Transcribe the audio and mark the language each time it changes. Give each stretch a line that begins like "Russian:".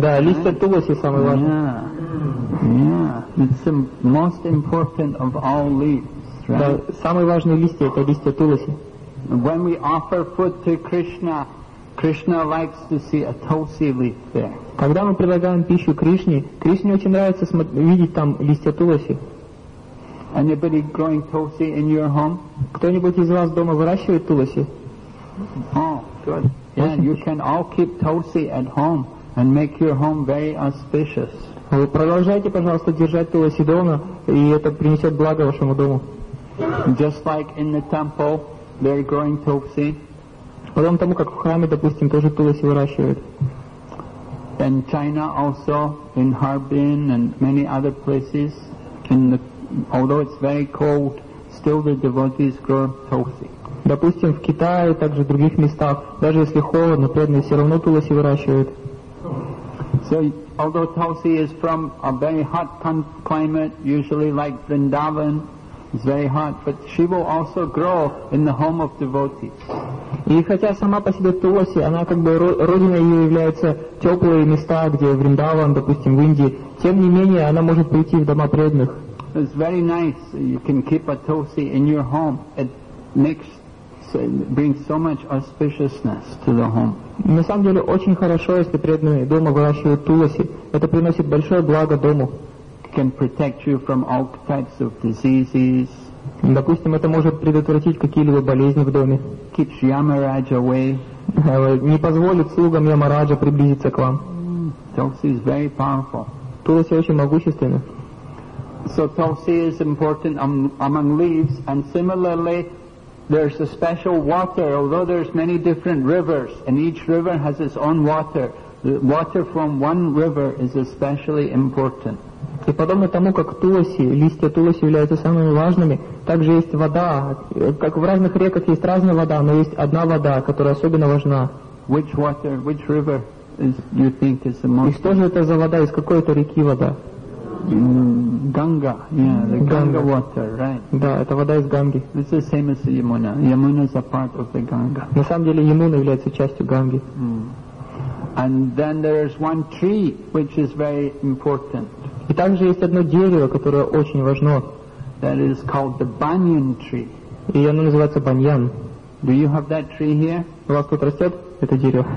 Russian: Да, листья тулоси самые важные.
English: Yeah, yeah. It's the most important of all leaves. Right?
Russian: Да, самые важные листья — это листья тулоси.
English: When we offer food to Krishna, Krishna likes to see a tulsi leaf there.
Russian: Когда мы предлагаем пищу Кришне, Кришне очень нравится видеть там листья тулоси.
English: Anybody growing tulsi in your home?
Russian: Кто-нибудь из вас дома выращивает тулоси?
English: Oh, good. Yeah, you can all keep tulsi at home and make your home very auspicious.
Russian: Продолжайте, пожалуйста, держать тулоси дома, и это принесет благо вашему дому.
English: Just like in the temple, they're growing tulsi.
Russian: Подобно тому, как в храме, допустим, тоже тулоси выращивают.
English: In China also, in Harbin and many other places, although it's very cold, still the devotees grow tulsi.
Russian: Допустим, в Китае, также в других местах, даже если холодно, преданные все равно тулоси выращивают.
English: So, although tulsi is from a very hot climate, usually like Vrindavan, it's very hot, but she will also grow in the home of devotees.
Russian: И хотя сама по себе тулоси, она как бы родина ее является теплые места, где Вриндаван, допустим, в Индии, тем не менее она может прийти в дома преданных.
English: It's very nice. You can keep a tulsi in your home. It makes brings so much auspiciousness to the home.
Russian: На самом деле очень хорошо, если преданные дома выращивают тулоси. Это приносит большое благо дому.
English: Can protect you from all types of diseases.
Russian: Допустим, это может предотвратить какие-либо болезни в доме.
English: Keeps Yamaraj away.
Russian: Не позволит слугам Ямараджа приблизиться к вам.
English: Tulsi is very powerful.
Russian: Тулоси очень могущественны.
English: So tulsi is important among leaves, and similarly, there's a special water, although there's many different rivers, and each river has its own water. The water from one river is especially important.
Russian: И подобно тому, как тулоси, листья тулоси являются самыми важными, также есть вода. Как в разных реках есть разная вода, но есть одна вода, которая особенно важна.
English: Which water, which river is, you think is the most?
Russian: И что же это за вода, из какой это реки вода?
English: Ganga, yeah, the Ganga water, right?
Russian: Да, это вода из Ганги.
English: It's the same as the Yamuna. Yamuna is a part of the Ganga.
Russian: На самом деле Ямуна является частью Ганги.
English: And then there is one tree which is very important.
Russian: И также есть одно дерево, которое очень важно.
English: That is called the banyan tree.
Russian: И оно называется баньян.
English: Do you have that tree here?
Russian: У вас тут растет это дерево?